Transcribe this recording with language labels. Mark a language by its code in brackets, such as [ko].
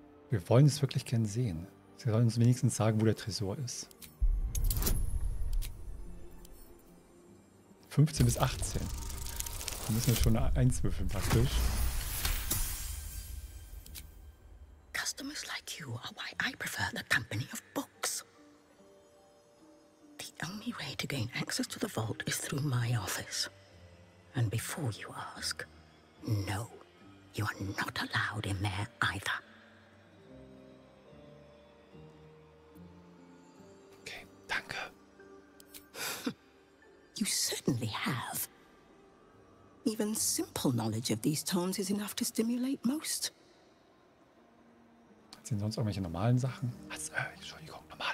[de] Wir wollen es wirklich gern sehen. Sie sollen uns wenigstens sagen, wo der Tresor ist. 15 bis 18. Da müssen wir schon eins würfeln praktisch. [en] Customers like you are why I prefer the company of books. The only way to gain access to the vault is through my office. And before you ask, no, you are not allowed in there either. [de] Okay, danke. [en] You certainly have. even simple knowledge of these tones is enough to stimulate most. [de] Hat sie sonst irgendwelche normalen Sachen? Entschuldigung, normale